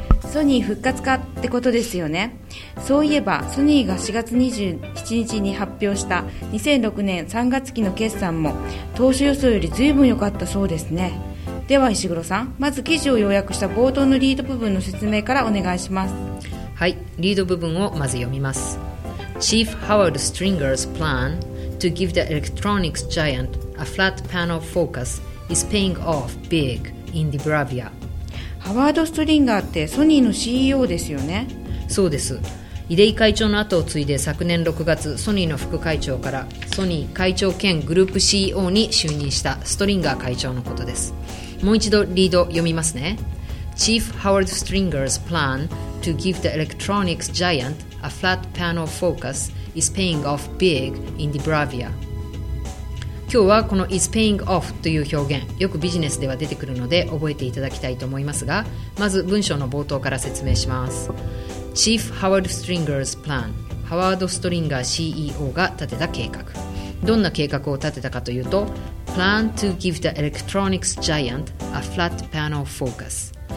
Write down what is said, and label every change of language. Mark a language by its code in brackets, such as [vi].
[ja] ソニー復活かってことですよね。そういえばソニーが4月27日に発表した2006年3月期の決算も当初予想より随分良かったそうですね。では石黒さん、まず記事を要約した冒頭のリード部分の説明からお願いします。はい、リード部分をまず読みます。 [en] Chief Howard Stringer's plan to give the electronics giant a flat panel focus is paying off big in the Bravia。 [ja] ハワード・ストリンガーってソニーの CEO ですよね。そうです。出井会長の後を継いで昨年6月ソニーの副会長からソニー会長兼グループ CEO に就任したストリンガー会長のことです。もう一度リード読みますね。 [en] Chief Howard Stringer's plan to give the electronics giant a flat panel focus is paying off big in the Bravia。 [ja] 今日はこの [en] is paying off [ja] という表現、よくビジネスでは出てくるので覚えていただきたいと思いますが、まず文章の冒頭から説明します。 [en] Chief Howard Stringer's plan、 [ja] ハワード・ストリンガー CEO が立てた計画。どんな計画を立てたかというと、 [en] plan to give the electronics giant a flat panel focus。